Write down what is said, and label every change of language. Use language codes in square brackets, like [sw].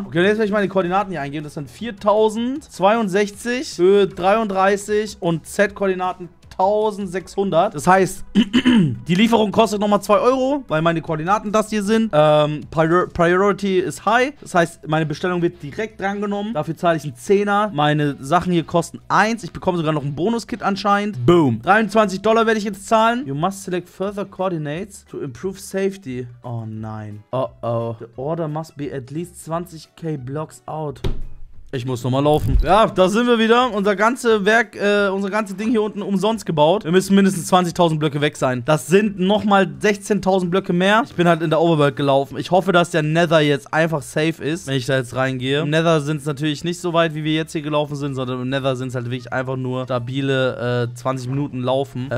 [de] Okay, und jetzt werde ich meine Koordinaten hier eingeben. Das sind 4062, Höhe 33 und Z-Koordinaten 1600. Das heißt, die Lieferung kostet nochmal 2 Euro, weil meine Koordinaten das hier sind. Priority ist high. Das heißt, meine Bestellung wird direkt drangenommen. Dafür zahle ich einen 10er. Meine Sachen hier kosten 1. Ich bekomme sogar noch ein Bonus-Kit anscheinend. Boom. $23 werde ich jetzt zahlen. [en] You must select further coordinates to improve safety. [de] Oh nein. [en] Oh oh. The order must be at least 20k blocks out. [de] Ich muss nochmal laufen. Ja, da sind wir wieder. Unser ganze Werk, unser ganze Ding hier unten umsonst gebaut. Wir müssen mindestens 20.000 Blöcke weg sein. Das sind nochmal 16.000 Blöcke mehr. Ich bin halt in der Overworld gelaufen. Ich hoffe, dass der Nether jetzt einfach safe ist, wenn ich da jetzt reingehe. Im Nether sind es natürlich nicht so weit, wie wir jetzt hier gelaufen sind, sondern im Nether sind es halt wirklich einfach nur stabile 20 Minuten laufen.